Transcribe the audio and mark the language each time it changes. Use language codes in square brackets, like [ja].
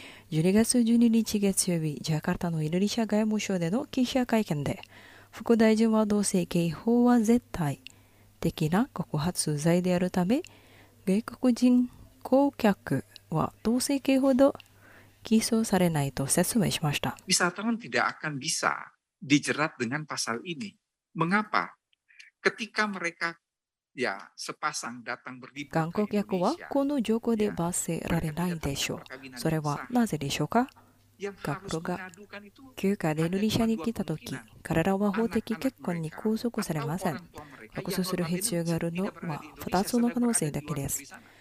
[ja] 12月12日月曜日、ジャカルタのインドネシア外務省での記者会見で、副大臣は同性敬法は絶対的な告発罪であるため、外国人観光客は同性敬法と起訴されないと説明しました。 [id] Wisatawan tidak akan bisa dijerat dengan pasal ini. Mengapa? Ketika mereka ya sepasang datang berlibur ke Indonesia, [ja] 観光客はこの条項で罰せられないでしょう。それはなぜでしょうか？カップルが休暇でインドネシアに来たとき、彼らは法的結婚に拘束されません。拘束する必要があるのは2つの可能性だけです。